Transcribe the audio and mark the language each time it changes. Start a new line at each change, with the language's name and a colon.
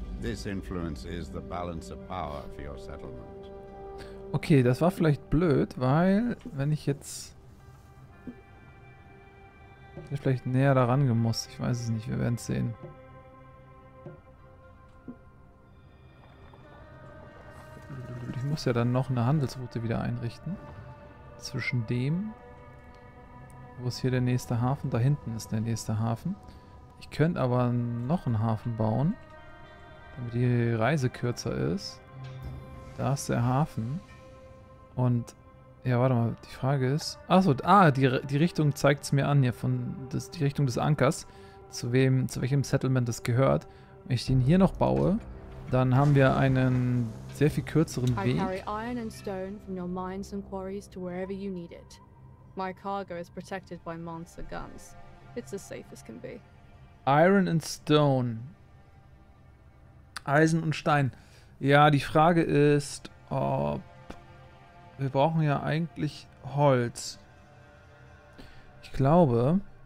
English: This influence is the balance of power for your settlement.
German: Okay, das war vielleicht blöd, weil wenn ich jetzt vielleicht näher daran gemusst, ich weiß es nicht, wir werden es sehen. Ich muss ja dann noch eine Handelsroute wieder einrichten zwischen dem, wo ist hier der nächste Hafen, da hinten ist der nächste Hafen. Ich könnte aber noch einen Hafen bauen. damit die Reise kürzer ist. Da ist der Hafen. Und, ja, warte mal, die Frage ist... Achso, ah, die Richtung zeigt es mir an hier, von das, die Richtung des Ankers, zu welchem Settlement das gehört. Wenn ich den hier noch baue, dann haben wir einen sehr viel kürzeren Weg.
English: carry iron and stone from your mines and quarries to wherever you need it. My cargo is protected by monster guns. It's as safe as can be. Iron and stone.
German: Eisen und Stein. Ja, die Frage ist, ob... Wir brauchen ja eigentlich Holz. Ich glaube...